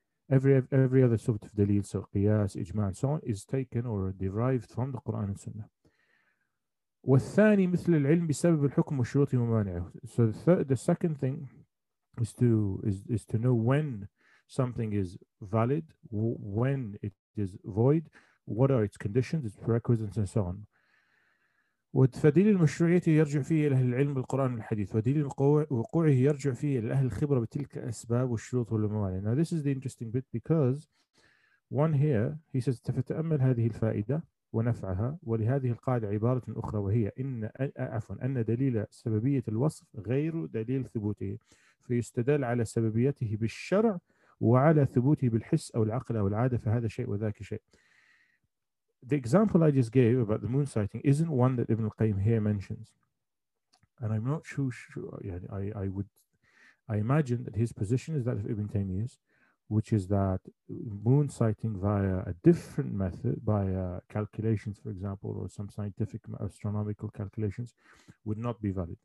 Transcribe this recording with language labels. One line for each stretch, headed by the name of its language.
English: Every other sort of dalil, so qiyas, ijma, and so on, is taken or derived from the Quran and Sunnah.
Arabic: والثاني مثل العلم بسبب الحكم والشروط ومانعه.
English: So the second thing is to know when something is valid, when it is void, what are its conditions, its prerequisites, and so on.
Arabic: وَدَلِيلُ الْمَشْرُوعِيَّةِ يَرْجِعُ فِيهِ إِلَى الْعِلْمِ الْقُرْآنِ وَالْحَدِيثِ وَدَلِيلُ وُقُوعِهِ يَرْجِعُ فِيهِ إِلَى أَهْلِ الْخِبْرَةِ بِتِلْكَ الْأَسْبَابِ وَالشُّرُوطِ وَالْمَوَانِعِ.
English: Now this is the interesting bit, because one here he says
Arabic: تَفَتَأَمَّلْ هَذِهِ الْفَائِدَةَ وَنَفْعَهَا وَلِهَذِهِ الْقَاعِدَةِ عِبَارَةٌ أُخْرَى وَهِيَ إِنَّ دَلِيلَ سَبَبِيَّةِ الْوَصْفِ غَيْرُ دَلِيلِ ثُبُوتِهِ فَيُسْتَدَلُّ عَلَى سَبَبِيَّتِهِ بِالشَّرْعِ وَعَلَى ثُبُوتِهِ بِالْحِسِّ أَوْ الْعَقْلِ أَوْ الْعَادَةِ فَهَذَا شَيْءٌ وَذَاكَ شَيْءٌ.
English: The example I just gave about the moon sighting isn't one that Ibn al-Qayyim here mentions. And I'm not too sure. Yeah, I imagine that his position is that of Ibn Taymiyyah's, which is that moon sighting via a different method, via calculations, for example, or some scientific astronomical calculations, would not be valid.